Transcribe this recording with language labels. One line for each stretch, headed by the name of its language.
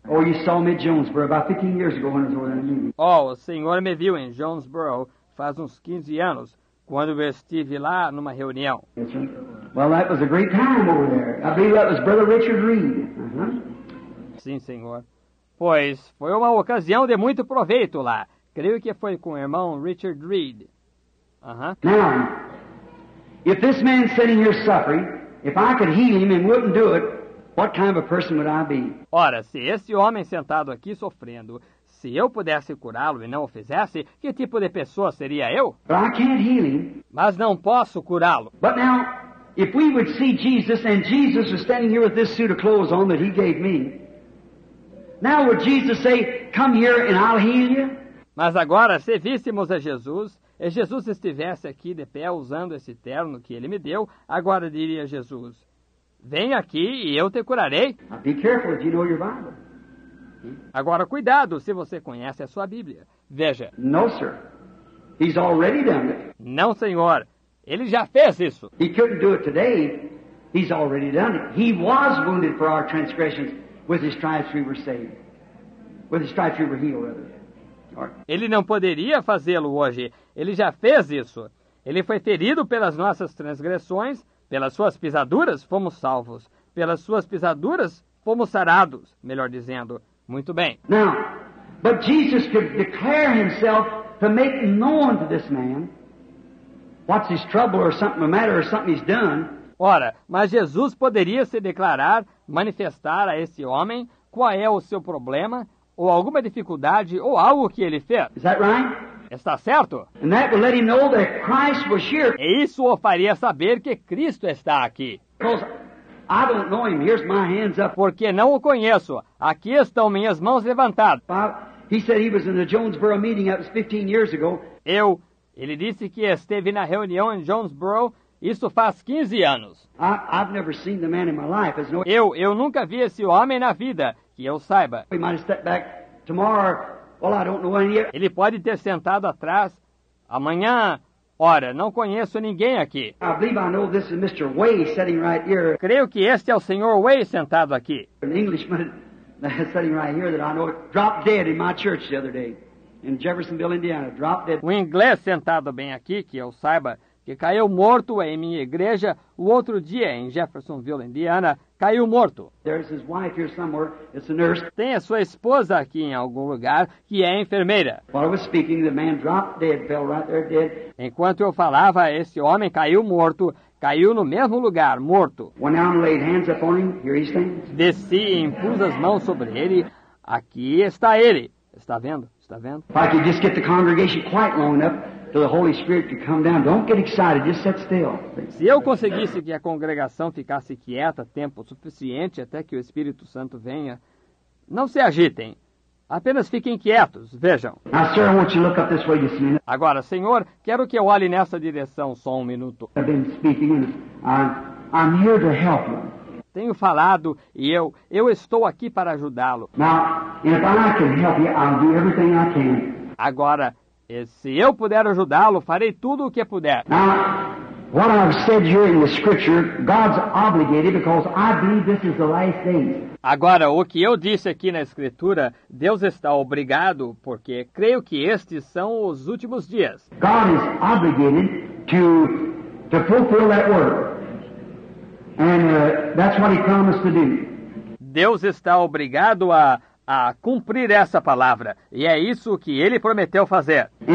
English: Oh, you saw me at Jonesboro about 15 years ago when I was over there.
Portuguese: Oh, o senhor me viu em Jonesboro faz uns 15 anos, quando eu estive lá numa reunião.
English: Well, that was a great time over there. I believe that was Brother Richard Reed. Uh-huh.
Portuguese: Sim, senhor. Pois, foi uma ocasião de muito proveito lá. Creio que foi com o irmão Richard Reed. Uh-huh.
English: Now, if this man sitting here suffering, if I could heal him and wouldn't do it, what kind of a person would I be?
Portuguese: Ora, se esse homem sentado aqui sofrendo, se eu pudesse curá-lo e não o fizesse, que tipo de pessoa seria eu?
English: But I can't heal him.
Portuguese: Mas não posso curá-lo.
English: But now, if we would see Jesus and Jesus was standing here with this suit of clothes on that he gave me, now would Jesus say, come here and I'll heal you?
Portuguese: Mas agora, se víssemos a Jesus, e Jesus estivesse aqui de pé usando esse terno que ele me deu, agora diria Jesus, vem aqui e eu te curarei.
English: Now be careful if you know your Bible.
Portuguese: Agora, cuidado se você conhece a sua Bíblia. Veja.
English: No, sir. He's already done it.
Portuguese: Não, senhor. Ele já fez isso.
English: He couldn't do it today. He's already done it. He was wounded for our transgressions. With his stripes we were saved. With his stripes we were healed.
Portuguese: Ele não poderia fazê-lo hoje. Ele já fez isso. Ele foi ferido pelas nossas transgressões. Pelas suas pisaduras, fomos salvos. Pelas suas pisaduras, fomos sarados. Melhor dizendo, muito bem.
English: Now, but Jesus could declare himself to make known to this man what's his trouble or something the matter or something he's done.
Portuguese: Ora, mas Jesus poderia se declarar, manifestar a esse homem qual é o seu problema ou alguma dificuldade ou algo que ele fez.
English: Is that right?
Portuguese: Está certo?
English: And that would let him know that Christ was here.
Portuguese: E isso o faria saber que Cristo está aqui.
English: Because I don't know him. Here's my hands up.
Portuguese: Porque não o conheço. Aqui estão minhas mãos levantadas.
English: Bob, he said he was in the Jonesboro meeting. That was 15 years ago.
Portuguese: Ele disse que esteve na reunião em Jonesboro. Isso faz 15 anos.
English: I've never seen the man in my life. No...
Portuguese: Eu nunca vi esse homem na vida, que eu saiba.
English: He might have stepped back tomorrow. Well, I don't know any...
Portuguese: Ele pode ter sentado atrás amanhã. Ora, não conheço ninguém aqui.
English: I believe I know this is Mr. Way sitting right here.
Portuguese: Creio que este é o Sr. Way sentado aqui.
English: An Englishman sitting right here that I know dropped dead in my church the other day in Jeffersonville, Indiana. Dropped dead.
Portuguese: Um inglês sentado bem aqui, que eu saiba. Que caiu morto em minha igreja o outro dia em Jeffersonville, Indiana. Caiu morto.
English: There's his wife here somewhere. It's a nurse.
Portuguese: Tem a sua esposa aqui em algum lugar, que é enfermeira.
English: While I was speaking, the man dropped dead, fell right there dead.
Portuguese: Enquanto eu falava, esse homem caiu morto. Caiu no mesmo lugar, morto. When I laid hands upon him, here he stands. Desci e impus as mãos sobre ele. Aqui está ele. Está vendo? Está vendo?
English: If I could just get the congregation quiet long enough. Till the Holy Spirit could come down. Don't get excited. Just sit still.
Portuguese: Se eu conseguisse que a congregação ficasse quieta tempo suficiente até que o Espírito Santo venha, não se agitem. Apenas fiquem quietos. Vejam.
English: Now, sir, I want you to look up this way just a minute.
Portuguese: Agora, senhor, quero que eu olhe nessa direção só um minuto.
English: I've been speaking and I'm here to help you.
Portuguese: Tenho falado e eu estou aqui para ajudá-lo.
English: Now, if I can help you, I'll do everything I can.
Portuguese: Agora, e se eu puder ajudá-lo, farei tudo o que puder.
English: Now, what I've said here in the scripture, God's obligated because I believe this is the last days.
Portuguese: Agora, o que eu disse aqui na Escritura, Deus está obrigado, porque creio que estes são os últimos dias.
English: God is obligated to fulfill that word. And that's what he promised to do.
Portuguese: Deus está obrigado a cumprir essa palavra, e é isso que ele prometeu fazer.